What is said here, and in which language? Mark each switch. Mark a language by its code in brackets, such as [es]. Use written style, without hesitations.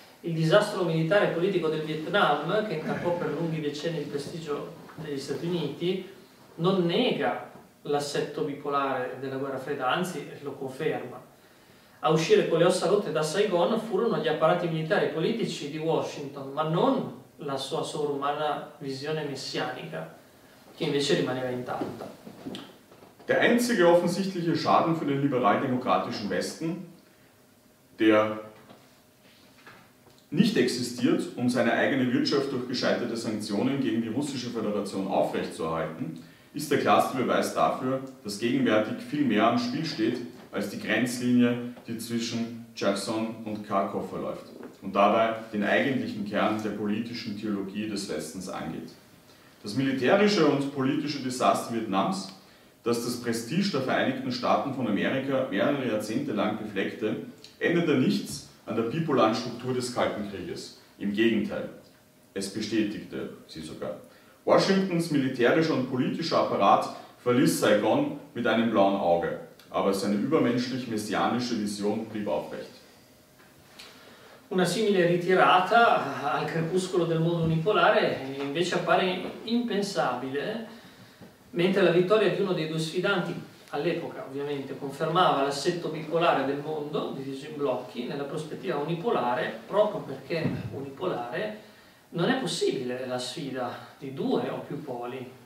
[it] Il disastro militare e politico del Vietnam, che intaccò per lunghi decenni il prestigio degli Stati Uniti, non nega l'assetto bipolare della guerra fredda, anzi lo conferma. A uscire con le ossa rotte da Saigon furono gli apparati militari e politici di Washington, ma non la sua sovrumana visione messianica, che invece rimaneva intatta. [de] Der einzige offensichtliche Schaden für den liberal-demokratischen Westen, der nicht existiert, um seine eigene Wirtschaft durch gescheiterte Sanktionen gegen die Russische Föderation aufrechtzuerhalten, ist der klarste Beweis dafür, dass gegenwärtig viel mehr am Spiel steht als die Grenzlinie, die zwischen Jackson und Kharkov verläuft und dabei den eigentlichen Kern der politischen Theologie des Westens angeht. Das militärische und politische Desaster Vietnams, das das Prestige der Vereinigten Staaten von Amerika mehrere Jahrzehnte lang befleckte, änderte nichts an der bipolaren Struktur des Kalten Krieges. Im Gegenteil, es bestätigte sie sogar. Washingtons militärischer und politischer Apparat verließ Saigon mit einem blauen Auge, aber seine übermenschlich-messianische Vision blieb aufrecht. [it] Una simile ritirata al crepuscolo del mondo unipolare invece appare impensabile, mentre la vittoria di uno dei due sfidanti all'epoca ovviamente confermava l'assetto bipolare del mondo diviso in blocchi nella prospettiva unipolare, proprio perché unipolare non è possibile la sfida di due o più poli.